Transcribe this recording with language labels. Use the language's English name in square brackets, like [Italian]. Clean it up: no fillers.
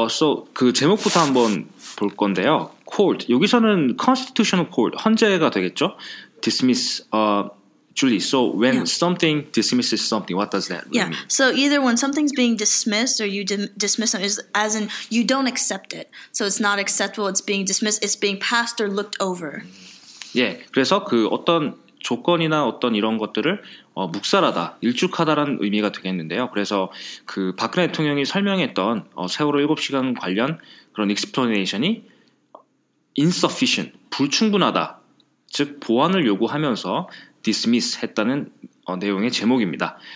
[Korean] So 그 제목부터 한번 볼 건데요. Court, 여기서는 Constitutional Court, 헌재가 되겠죠? [English] Dismiss, Julie, so when something dismisses something, what does that really mean? So either when something's being dismissed or you dismiss something, is, as in you don't accept it. So it's not acceptable, it's being dismissed, it's being passed or looked over. [Korean] 예, 그래서 그 어떤 조건이나 어떤 이런 것들을 묵살하다, 일축하다라는 의미가 되겠는데요. 그래서 그 박근혜 대통령이 설명했던 세월호 7시간 관련 그런 explanation이 insufficient, 불충분하다, 즉 보완을 요구하면서 dismiss 했다는 내용의 제목입니다.